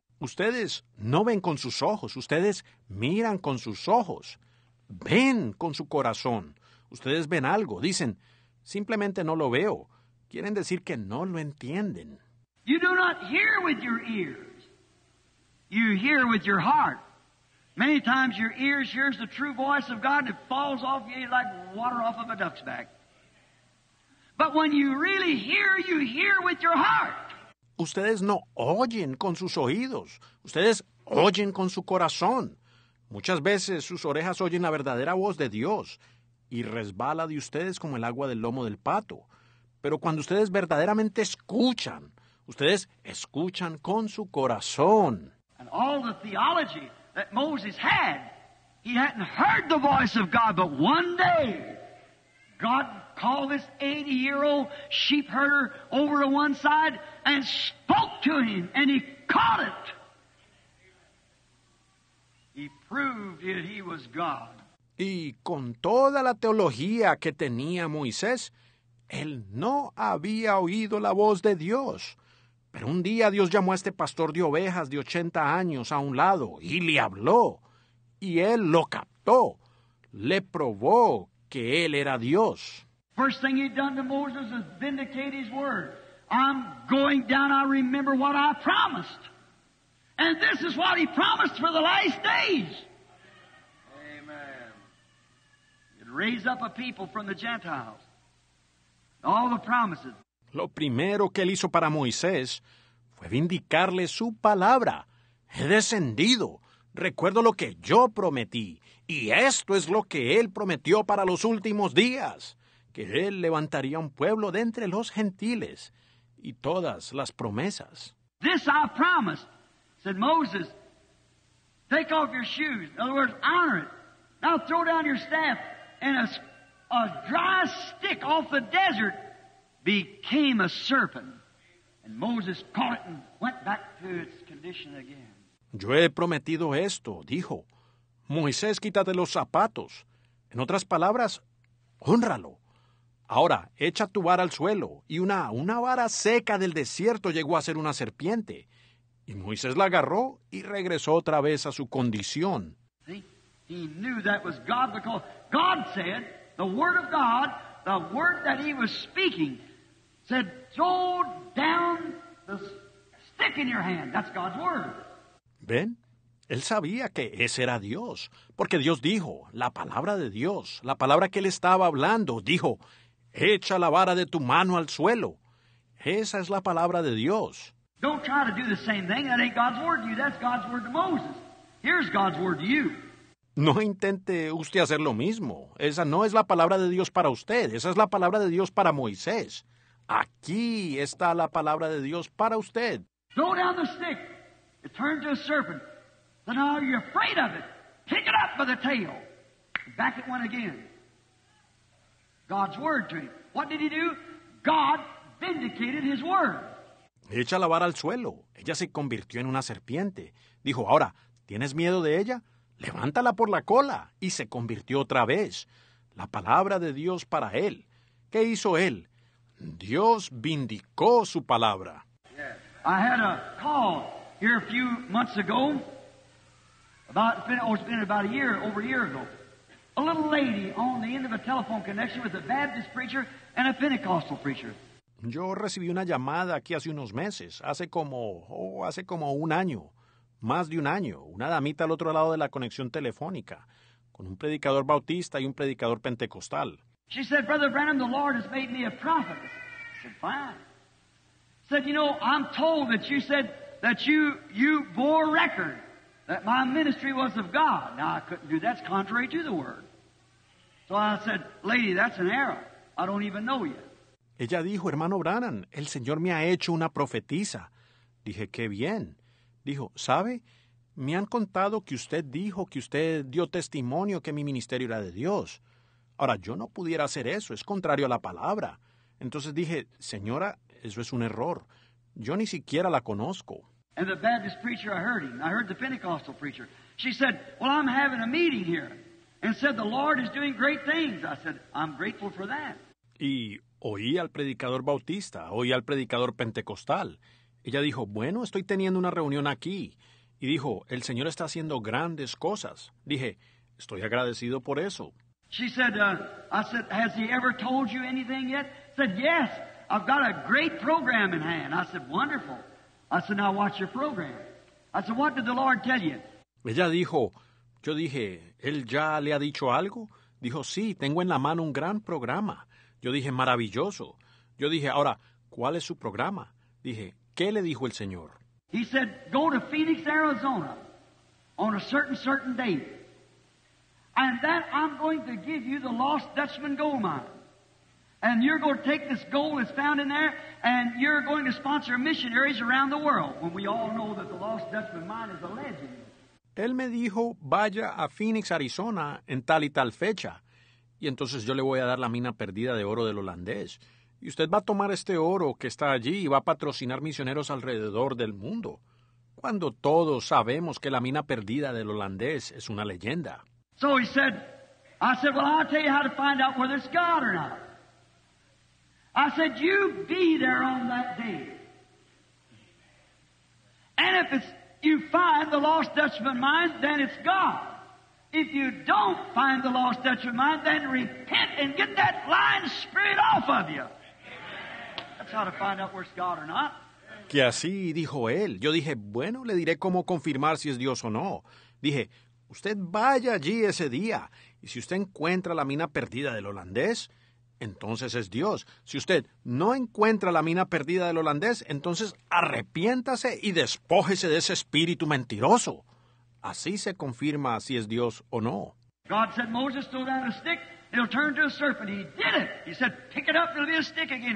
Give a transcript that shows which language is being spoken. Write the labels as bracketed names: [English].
[Spanish] Ustedes no ven con sus ojos. Ustedes miran con sus ojos. Ven con su corazón. Ustedes ven algo. Dicen, simplemente no lo veo. Quieren decir que no lo entienden. [English] You do not hear with your ears. You hear with your heart. Many times your ears hears the true voice of God and it falls off you like water off of a duck's back. But when you really hear, you hear with your heart. [Spanish] Ustedes no oyen con sus oídos. Ustedes oyen con su corazón. Muchas veces sus orejas oyen la verdadera voz de Dios y resbala de ustedes como el agua del lomo del pato. Pero cuando ustedes verdaderamente escuchan, ustedes escuchan con su corazón. [English] And all the theology that Moses had, he hadn't heard the voice of God, but one day God called this 80-year-old sheep herder over to one side and spoke to him, and he caught it. He proved that he was God. [Spanish] Y con toda la teología que tenía Moisés, él no había oído la voz de Dios. Pero un día Dios llamó a este pastor de ovejas de 80 años a un lado y le habló. Y él lo captó. Le probó que él era Dios. [English] First thing he'd done to Moses is vindicate his word. I'm going down, I remember what I promised. And this is what he promised for the last days. Amen. He'd raise up a people from the Gentiles. All the promises. [Spanish] Lo primero que él hizo para Moisés fue vindicarle su palabra. He descendido. Recuerdo lo que yo prometí. Y esto es lo que él prometió para los últimos días. Que él levantaría un pueblo de entre los gentiles. Y todas las promesas. [English] This I promised. Said, Moses, take off your shoes. In other words, honor it. Now throw down your staff. And a dry stick off the desert became a serpent. And Moses caught it and went back to its condition again. [Spanish] Yo he prometido esto, dijo. Moisés, quítate los zapatos. En otras palabras, honralo. Ahora, echa tu vara al suelo. Y una vara seca del desierto llegó a ser una serpiente. Y Moisés la agarró y regresó otra vez a su condición. [English] He knew that was God, because God said, the word of God, the word that he was speaking, said, throw down the stick in your hand. That's God's word. [Spanish] ¿Ven? Él sabía que ese era Dios, porque Dios dijo, la palabra de Dios, la palabra que él estaba hablando, dijo, echa la vara de tu mano al suelo. Esa es la palabra de Dios. [English] Don't try to do the same thing. That ain't God's word to you. That's God's word to Moses. Here's God's word to you. [Spanish] No intente usted hacer lo mismo. Esa no es la palabra de Dios para usted. Esa es la palabra de Dios para Moisés. Aquí está la palabra de Dios para usted. [English] Throw down the stick. It turned to a serpent. So now you're afraid of it. Pick it up by the tail. Back it went again. God's word to him. What did he do? God vindicated his word. [Spanish] Echa la vara al suelo. Ella se convirtió en una serpiente. Dijo, ahora, ¿tienes miedo de ella? Levántala por la cola. Y se convirtió otra vez. La palabra de Dios para él. ¿Qué hizo él? Dios vindicó su palabra. [English] I had a call here a few months ago. It's been about a year ago. A little lady on the end of a telephone connection with a Baptist preacher and a Pentecostal preacher. [Spanish] Yo recibí una llamada aquí hace unos meses, hace como un año, más de un año, una damita al otro lado de la conexión telefónica, con un predicador bautista y un predicador pentecostal. [English] She said, Brother Branham, the Lord has made me a prophet. I said, fine. Said, you know, I'm told that you said that you bore record that my ministry was of God. Now, I couldn't do that. That's contrary to the word. So I said, lady, that's an error. I don't even know you. [Spanish] Ella dijo, hermano Branham, el Señor me ha hecho una profetisa. Dije, qué bien. Dijo, ¿sabe? Me han contado que usted dijo que usted dio testimonio que mi ministerio era de Dios. Ahora, yo no pudiera hacer eso. Es contrario a la palabra. Entonces dije, señora, eso es un error. Yo ni siquiera la conozco. [English] And the Baptist preacher, I heard him. I heard the Pentecostal preacher. She said, well, I'm having a meeting here. And said, the Lord is doing great things. I said, I'm grateful for that. [Spanish] Y oí al predicador bautista, oí al predicador pentecostal. Ella dijo, bueno, estoy teniendo una reunión aquí. Y dijo, el Señor está haciendo grandes cosas. Dije, estoy agradecido por eso. [English] She said, I said, has he ever told you anything yet? Said, yes, I've got a great program in hand. I said, wonderful. I said, now watch your program. I said, what did the Lord tell you? [Spanish] Ella dijo, yo dije, ¿él ya le ha dicho algo? Dijo, sí, tengo en la mano un gran programa. Yo dije, maravilloso. Yo dije, ahora, ¿cuál es su programa? Dije, ¿qué le dijo el Señor? [English] He said, go to Phoenix, Arizona, on a certain date. And that I'm going to give you the Lost Dutchman gold mine. And you're going to take this gold that's found in there, and you're going to sponsor missionaries around the world. When we all know that the Lost Dutchman mine is a legend. [Spanish] Él me dijo, vaya a Phoenix, Arizona, en tal y tal fecha. Y entonces yo le voy a dar la mina perdida de oro del holandés. Y usted va a tomar este oro que está allí y va a patrocinar misioneros alrededor del mundo. Cuando todos sabemos que la mina perdida del holandés es una leyenda. [English] So he said, I said, well, I'll tell you how to find out whether it's God or not. I said, you be there on that day. And if it's, you find the lost Dutchman mine, then it's God. If you don't find the lost Dutchman mine, then repent and get that lying spirit off of you. That's how to find out where it's God or not. [Spanish] Que así dijo él. Yo dije, bueno, le diré cómo confirmar si es Dios o no. Dije, usted vaya allí ese día, y si usted encuentra la mina perdida del holandés, entonces es Dios. Si usted no encuentra la mina perdida del holandés, entonces arrepiéntase y despójese de ese espíritu mentiroso. Así se confirma si es Dios o no. [English] God said, Moses, throw down a stick, it'll turn to a serpent. He did it. He said, pick it up, it'll be a stick again.